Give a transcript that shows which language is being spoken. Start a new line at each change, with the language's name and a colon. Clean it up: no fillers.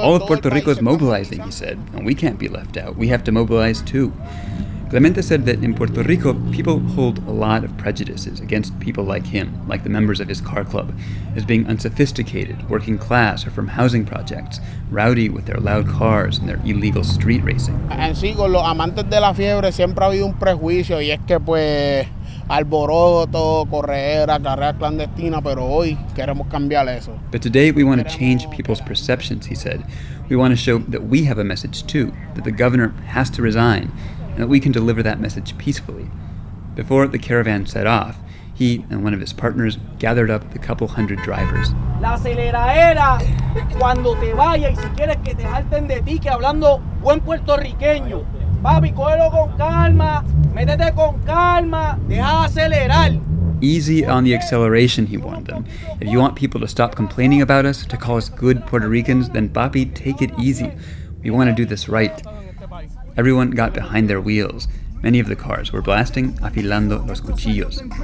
English: all of Puerto Rico is mobilizing, he said, and we can't be left out. We have to mobilize too. Clemente said that in Puerto Rico, people hold a lot of prejudices against people like him, like the members of his car club, as being unsophisticated, working class, or from housing projects, rowdy with their loud cars and their illegal street racing.
Spanish: En sí, con los amantes de la fiebre siempre ha habido un prejuicio, y es que pues alboroto, correra, carrera clandestina, pero hoy queremos cambiar eso.
English: But today we want to change people's perceptions, he said. We want to show that we have a message too, that the governor has to resign, and that we can deliver that message peacefully. Before the caravan set off, he and one of his partners gathered up the couple hundred drivers.
Spanish: La aceleradera, cuando te vayas y si quieres que te salten de ti, que hablando buen puertorriqueño. Papi, cógelo con calma, métete con calma, deja de acelerar.
English: Easy on the acceleration, he warned them. If you want people to stop complaining about us, to call us good Puerto Ricans, then papi, take it easy. We want to do this right. Everyone got behind their wheels. Many of the cars were blasting Afilando los Cuchillos.